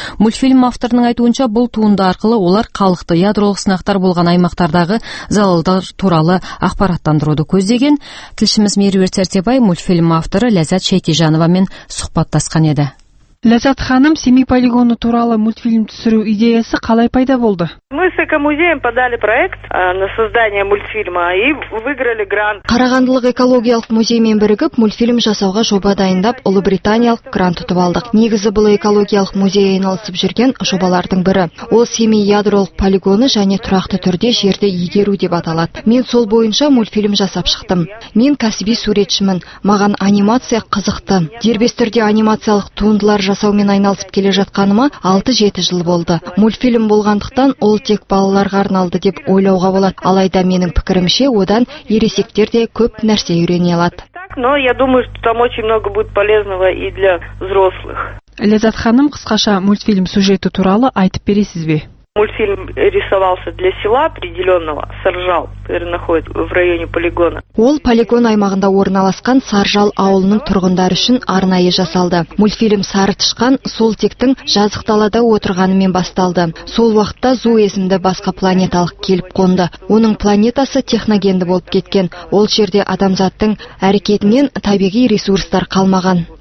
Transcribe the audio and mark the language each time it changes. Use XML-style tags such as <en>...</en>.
<kk>Мультфильм авторының айтуынша, бұл туынды арқылы олар халықты ядролық сынақтар болған аймақтардағы залалдар туралы ақпараттандыруды көздеген. Тілшіміз Меруерт Сәрсебай мультфильм авторы Ләззат Шәйтежановамен сұхбаттасқан еді. Ләззат ханым, Семей полигоны туралы мультфильм түсіру идеясы қалай пайда болды?</kk> <ru>Мы с Экомузеем подали проект на создание мультфильма и выиграли грант.</ru> <kk>Қарағандылық экологиялық музеймен бірігіп, мультфильм жасауға жоба дайындап, Ұлыбританиялық грант ұтып алдық. Негізі бұл экологиялық музей айналысып жүрген жобалардың бірі. Ол Семей ядролық полигоны және тұрақты түрде жерді игеру деп аталады. Мен сол бойынша мультфильм жасап шықтым. Мен кәсіби суретшімін, маған анимация қызықты. Дербес түрде анимациялық туындылар жасаумен айналысып келе жатқаныма 6-7 жыл болды. Мультфильм болғандықтан ол тек балаларға арналды деп ойлауға болады. Алайда менің пікірімше, одан ересектер де көп нәрсе үйрене алады.</kk> <ru>Но я думаю, что там очень много будет полезного и для взрослых.</ru> <kk>Ләззат ханым, қысқаша мультфильм сюжеті туралы айтып бересіз бе?</kk> <ru>Мультфильм рисовался для села определенного Саржал, который находится в районе полигона.</ru> <kk>Ол полигон аймағында орналасқан Саржал ауылының тұрғындары үшін арнайы жасалды. Мультфильм Сарытышқан сол тектің жазық далада отырғанымен басталды. Сол уақытта Зу есімді басқа планеталық келіп қонды. Оның планетасы техногенді болып кеткен. Ол жерде адамзаттың әрекетінен табиғи ресурстар қалмаған.</kk>